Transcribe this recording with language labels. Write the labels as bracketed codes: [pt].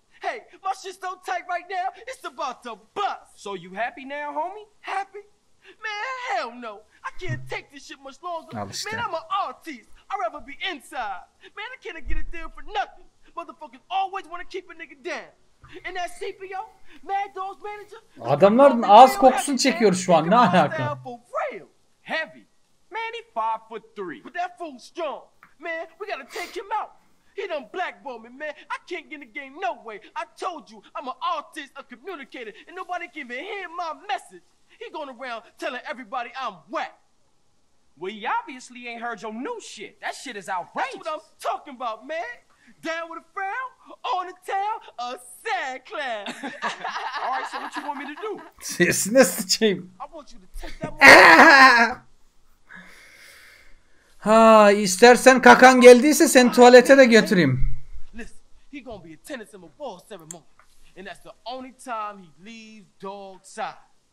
[en] Hey, my shit's so tight right now, it's about to bust. So you happy now, homie? Happy? Man, hell no. I can't take this shit much longer. Man, I'm an artist. I'd rather be inside. Man, I can't get a deal for nothing. Motherfuckers always want to keep a nigga down. And that CPO, Mad Dog's manager. [tr] Adamların ağız kokusunu çekiyor şu an. Ne alaka? [en] Heavy. Man, he 5'3". But that fool's strong. Man, we gotta take him out. He done blackballed me, man. I can't get in the game no way. I told you, I'm an artist, a communicator, and nobody can even hear my message. He going around telling everybody I'm whack. Well, he obviously ain't heard your new shit. That shit is outrageous. That's what I'm talking about, man. Down with a frown, on the tail, a sad clown. All right, so what you want me to do? Yes, that's the team. I want you to take that one. [tr] Ha, istersen kakan geldiyse seni tuvalete de götüreyim. [en] He gonna be attending some ball ceremony. And that's the only time he leaves dog side.